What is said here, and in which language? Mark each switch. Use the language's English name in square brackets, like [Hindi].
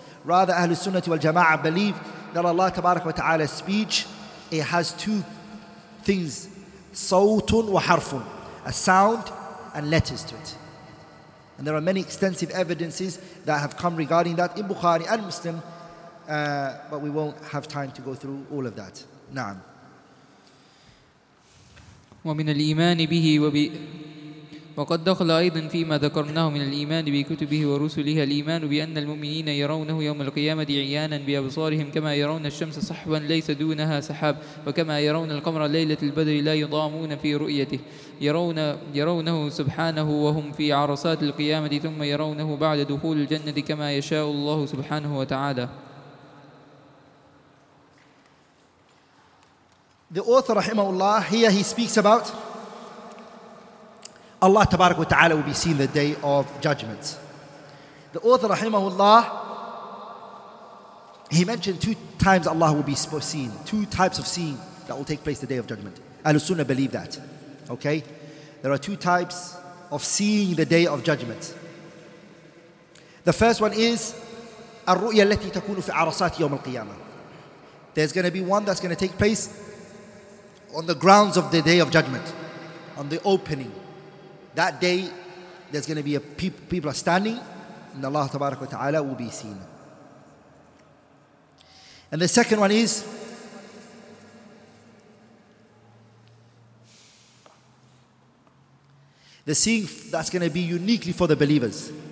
[English] Rather, Ahlul Sunnah wal Jama'ah believe that Allah tabarak wa ta'ala's speech, it has two things, sawtun wa harfun, a sound and letters to it. And there are many extensive evidences that have come regarding that in Bukhari and Muslim, but we won't have time to go through all of that. Na'am. [Arabic] ومن الإيمان به وقد دخل أيضا فيما ذكرناه من الإيمان بكتبه ورسله الإيمان بأن المؤمنين يرونه يوم القيامة عيانا بأبصارهم كما يرون الشمس صحبا ليس دونها سحاب وكما يرون القمر ليلة البدر لا يضامون في رؤيته يرونه سبحانه وهم في عرصات القيامة ثم يرونه بعد دخول الجنة كما يشاء الله سبحانه وتعالى. [English] The author, rahimahullah, here he speaks about Allah tabarak wa ta'ala will be seen the day of judgment. The author, rahimahullah, he mentioned two times Allah will be seen, two types of seeing that will take place the day of judgment. Ahlul Sunnah believe that, okay? There are two types of seeing the day of judgment. The first one is [Arabic] الرؤية التي تكون في عرصات يوم القيامة. [English] There's going to be one that's going to take place on the grounds of the day of judgment, on the opening. That day, there's going to be a people are standing, and Allah tabarak wa ta'ala will be seen. And the second one is, the seeing that's going to be uniquely for the believers.